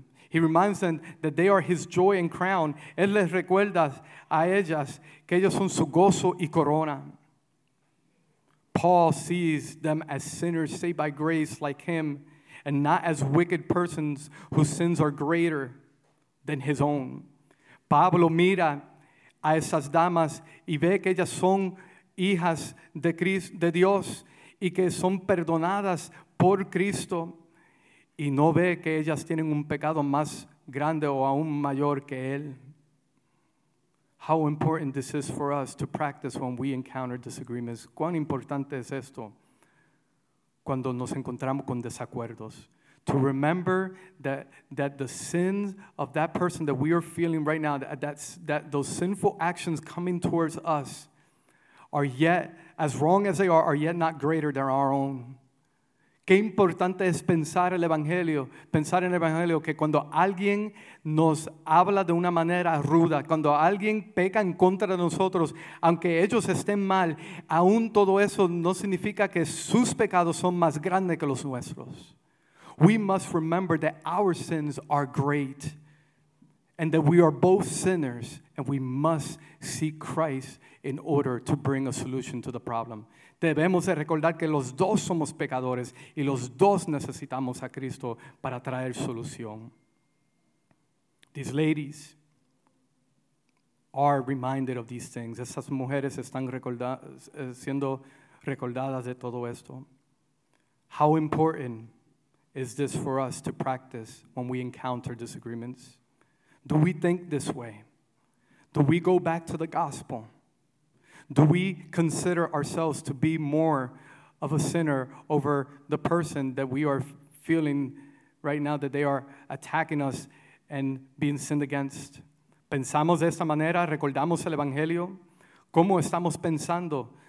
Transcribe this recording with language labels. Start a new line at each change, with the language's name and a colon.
English: He reminds them that they are his joy and crown.
Spanish: Él les recuerda a ellas que ellos son su gozo y corona.
English: Paul sees them as sinners saved by grace like him, and not as wicked persons whose sins are greater than his own.
Spanish: Pablo mira a esas damas y ve que ellas son hijas de Cristo, de Dios, y que son perdonadas por Cristo, y no ve que ellas tienen un pecado más grande o aún mayor que él.
English: How important this is for us to practice when we encounter disagreements.
Spanish: ¿Cuán importante es esto cuando nos encontramos con desacuerdos?
English: To remember that the sins of that person that we are feeling right now, that those sinful actions coming towards us are yet, as wrong as they are yet not greater than our own.
Spanish: Qué importante es pensar en el Evangelio que cuando alguien nos habla de una manera ruda, cuando alguien peca en contra de nosotros, aunque ellos estén mal, aún todo eso no significa que sus pecados son más grandes que los nuestros.
English: We must remember that our sins are great and that we are both sinners and we must seek Christ in order to bring a solution to the problem.
Spanish: Debemos de recordar que los dos somos pecadores y los dos necesitamos a Cristo para traer solución.
English: These ladies are reminded of these things.
Spanish: Esas mujeres están siendo recordadas de todo esto.
English: How important is this for us to practice when we encounter disagreements? Do we think this way? Do we go back to the gospel? Do we consider ourselves to be more of a sinner over the person that we are feeling right now that they are attacking us and being sinned against?
Spanish: ¿Pensamos de esta manera? ¿Recordamos el Evangelio? ¿Cómo estamos pensando?